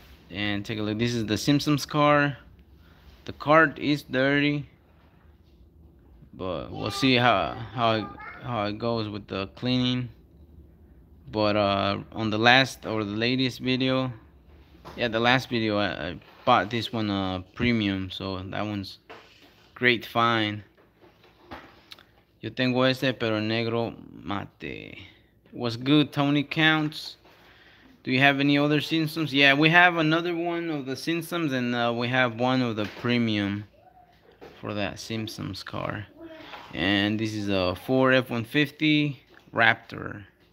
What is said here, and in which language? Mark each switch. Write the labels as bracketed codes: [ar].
[en] And take a look, this is the Simpsons car. The cart is dirty, but we'll see how it goes with the cleaning. But on the last or the latest video, yeah, the last video, I bought this one premium, so that one's great find. [es] Yo tengo este, pero negro mate. [en] What's good, Tony Counts? Do you have any other Simpsons? Yeah, we have another one of the Simpsons, and we have one of the premium for that Simpsons car. And this is a Ford F-150 Raptor.